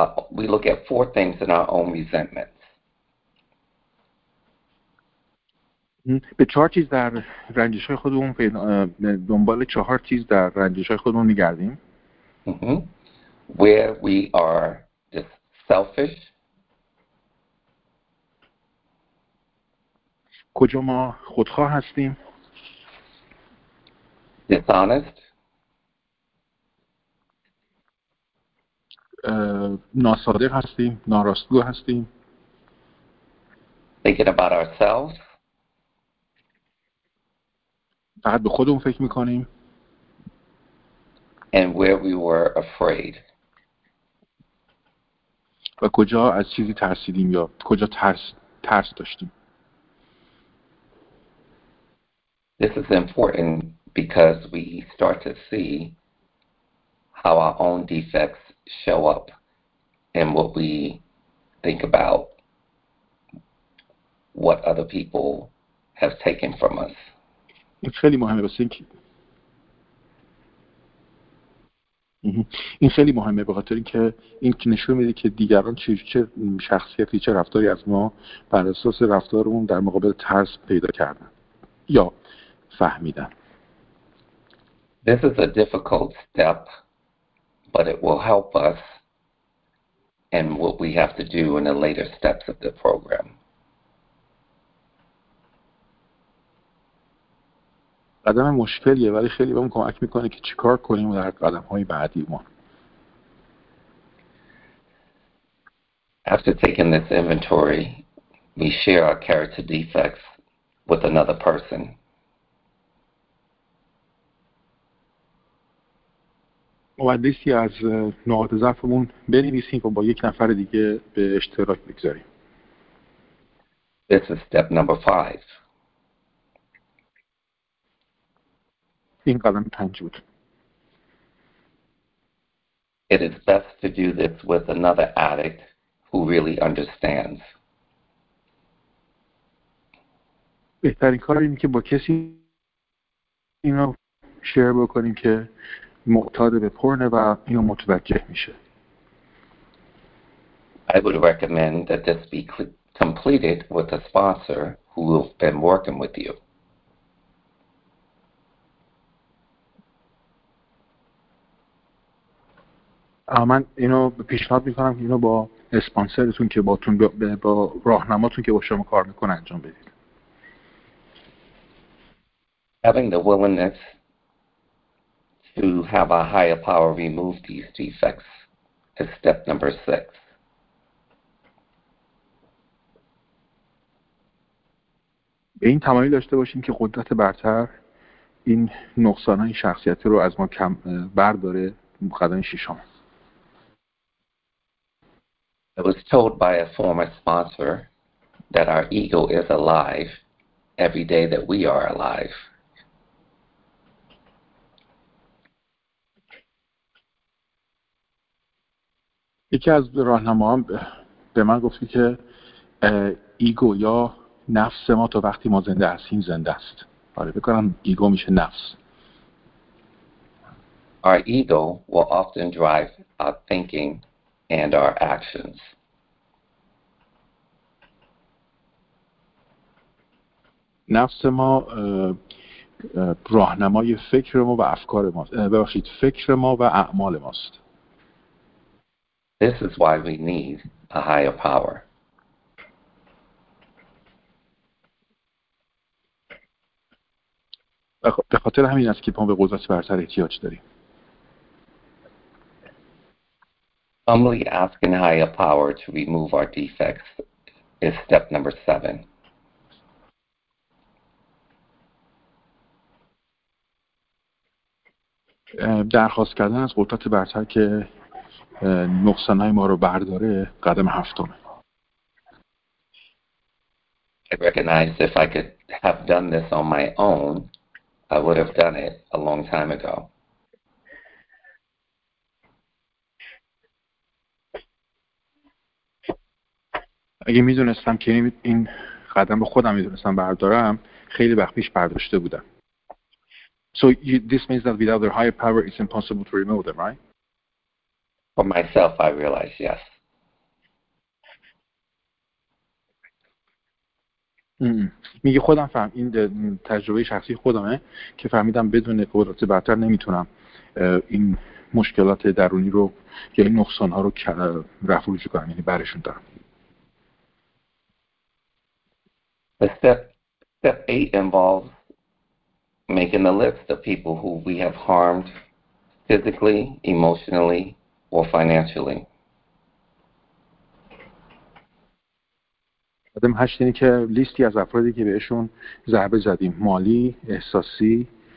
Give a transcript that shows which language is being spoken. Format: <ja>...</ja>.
<en>We look at four things in our own resentments.</en> <fa>به چهار چیز در رنجش‌های خودمون دنبال چهار چیز در رنجش‌های خودمون می‌گردیم.</fa> <en>Where we are just selfish.</en> <fa>کجا ما خودخواه هستیم؟</fa> <en>dishonest</en> <fa>ناصادق هستیم، ناراستگو هستیم.</fa> <en>thinking about ourselves</en> <fa>فقط به خودمون فکر میکنیم.</fa> <en>and where we were afraid.</en> <fa>و کجا از چیزی ترسیدیم یا کجا ترس داشتیم.</fa> <en>This is important because we start to see how our own defects show up and what we think about what other people have taken from us.</en> <fa>این خیلی مهمه واسه اینکه این خیلی مهمه به خاطر اینکه نشون میده که دیگران چه شخصیتی چه رفتاری از ما بر اساس رفتارمون در مقابل ترس پیدا کردن یا فهمیدن.</fa> <en>This is a difficult step, but it will help us and what we have to do in the later steps of the program.</en> <fa>قدم مشکلیه ولی خیلی بهمون کمک میکنه که چیکار کنیم در قدم‌های بعدی ما.</fa> <en>After taking this inventory, we share our character defects with another person.</en> <fa>و لیستی از نقاط ضعفمون بنویسیم و با یک نفر دیگه به اشتراک بگذاریم.</fa> <en>This is step number 5.</en> <fa>این قدم پنج بود.</fa> <en>It is best to do this with another addict who really understands.</en> <fa>بهترین کار اینه که با کسی اینو شیر بکنیم که معتاد به پورنه و اینو متوجه میشه.</fa> <en>I would recommend that this be completed with a sponsor who has been working with you.</en> <fa>من اینو پیشنهاد میکنم که اینو با اسپانسرتون که باتون با راهنماتون که با شما کار میکنه انجام بدید.</fa> <en>Having the willingness to have a higher power remove these defects is step number 6.</en> <fa>به این تمایل داشته باشیم که قدرت برتر این نقصانهای شخصیتی رو از ما کم برداره قدم ششم.</fa> <en>I was told by a former sponsor that our ego is alive every day that we are alive.</en> <fa>یکی از راهنماهام به من گفت که ایگو یا نفس ما تا وقتی ما زنده هستیم زنده است. آره بگم ایگو میشه نفس.</fa> <en>Our ego will often drive our thinking and our actions.</en> <fa>نفس ما راهنمای فکر ما و افکار ما ببخشید فکر ما و اعمال ماست.</fa> <en>This is why we need a higher power.</en> <fa>به خاطر همین است که ما به قدرت برتر احتیاج داریم.</fa> <en>Humbly asking higher power to remove our defects is step number 7.</en> <fa>درخواست کردن از قدرت برتر که نقصانهای ما رو برداره قدم هفتمه.</fa> <en>I recognize if I could have done this on my own, I would have done it a long time ago.</en> <fa>اگه میدونستم که این قدم رو خودم میدونستم بردارم خیلی وقت پیش برداشته بودم.</fa> <en>So this means that without their higher power, it's impossible to remove them, right? For myself, I realize yes.</en> <fa>میگه خودم فهم این تجربه شخصی خودمه که فهمیدم بدون قدرت برتر نمیتونم این مشکلات درونی رو یا این نقصانها رو رفع و رجوع کنم یعنی برشون دارم.</fa> <en>Step 8 involves making a list of people who we have harmed physically, emotionally, or financially.</en> <fa>آدم هشت اینه که لیستی از افرادی که بهشون ضربه زدیم مالی، احساسی،</fa>